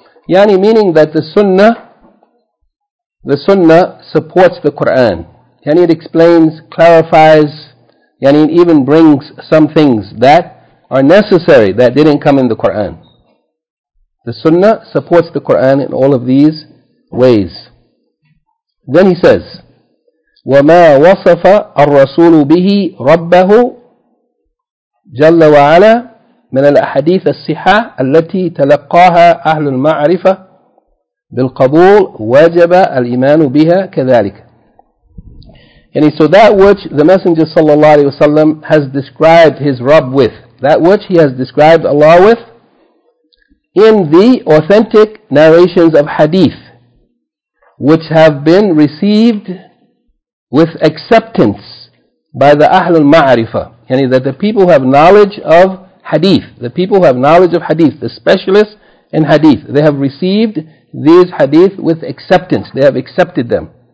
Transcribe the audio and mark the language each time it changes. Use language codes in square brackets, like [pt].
[en] Yani, meaning that the sunnah supports the Qur'an. Yani it explains, clarifies, yani it even brings some things that are necessary that didn't come in the Qur'an. The sunnah supports the Qur'an in all of these ways. Then he says, [ar] وَمَا وَصَفَ الرَّسُولُ بِهِ رَبَّهُ جَلَّ وَعَلَى مِنَ الْأَحَدِيثَ الصِّحَةَ الَّتِي تَلَقَّاهَا أَهْلُ الْمَعْرِفَةِ بِالْقَبُولِ وَجَبَ الْإِيمَانُ بِهَا كَذَلِكَ. [en] And so that which the Messenger sallallahu alaihi wasallam has described his Rabb with, that which he has described Allah with, in the authentic narrations of hadith, which have been received with acceptance by the Ahlul Ma'rifah, yani that the people who have knowledge of hadith, the people who have knowledge of hadith, the specialists in hadith, they have received these hadith with acceptance, they have accepted them.